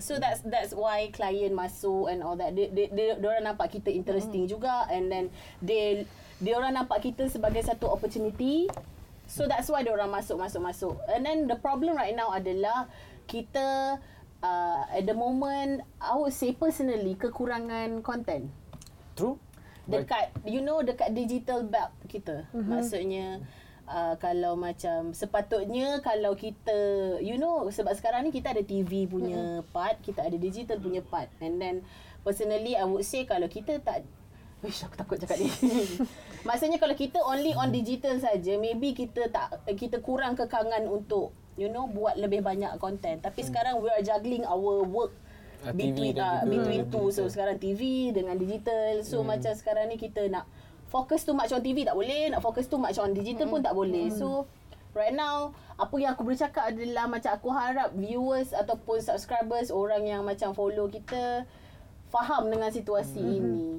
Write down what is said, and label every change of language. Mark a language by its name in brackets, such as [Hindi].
[English] So that's why client masuk and all that. [Malay] Dia orang nampak kita interesting juga and then dia orang nampak kita sebagai satu opportunity. [English] So that's why dia orang masuk. And then the problem right now adalah kita at the moment I would say personally kekurangan content. True. [Malay] Dekat you know dekat digital belt kita. Maksudnya kalau macam sepatutnya kalau kita you know sebab sekarang ni kita ada TV punya part, kita ada digital punya part. And then personally I would say kalau kita tak aku takut cakap ni. Maksudnya kalau kita only on digital saja, maybe kita kurang kekangan untuk you know buat lebih banyak content. [English] Tapi sekarang we are juggling our work between two. [Malay] So sekarang TV dengan digital. So macam sekarang ni kita nak focus too much on TV tak boleh, nak focus too much on digital pun tak boleh. So right now apa yang aku boleh cakap adalah macam aku harap viewers ataupun subscribers, orang yang macam follow kita, faham dengan situasi ini.